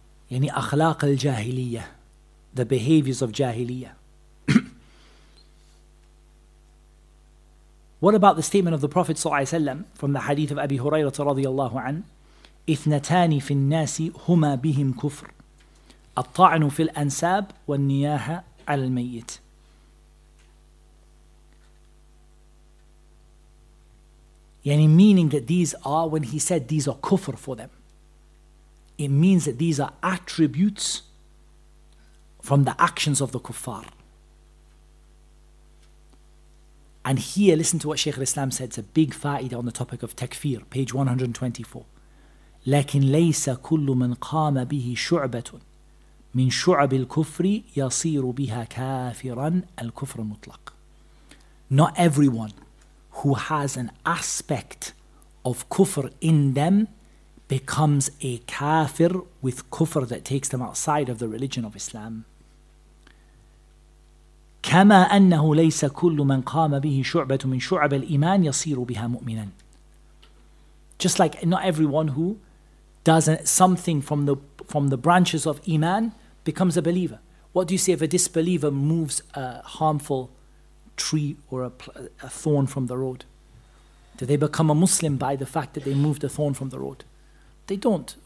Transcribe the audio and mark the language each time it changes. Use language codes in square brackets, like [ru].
[ar] Yani akhlaq al-jahiliyyah, [en] the behaviors of jahiliyyah. What about the statement of the Prophet ﷺ from the hadith of Abi Hurairah radiallahu anhu? [ar] إثنتان في الناس هما بهم كفر الطعن في الأنساب والنياحة على الميت. [en] يعني meaning that these are, when he said these are kufr for them, it means that these are attributes from the actions of the kuffar. And here, listen to what Shaykh al-Islam said. It's a big fa'idah on the topic of takfir, page 124. [ar] لكن ليس كل من قام به شعبة من شعب الكفر يصير بها كافرا الكفر المطلق. [en] Not everyone who has an aspect of kufr in them becomes a kafir with kufr that takes them outside of the religion of Islam. [ar] كما أنه ليس كل من قام به شعبة من شعب الإيمان يصير بها مؤمنا. [en] Just like not everyone who does something from the branches of Iman becomes a believer. What do you say if a disbeliever moves a harmful tree or a thorn from the road? Do they become a Muslim by the fact that they moved a thorn from the road? They don't.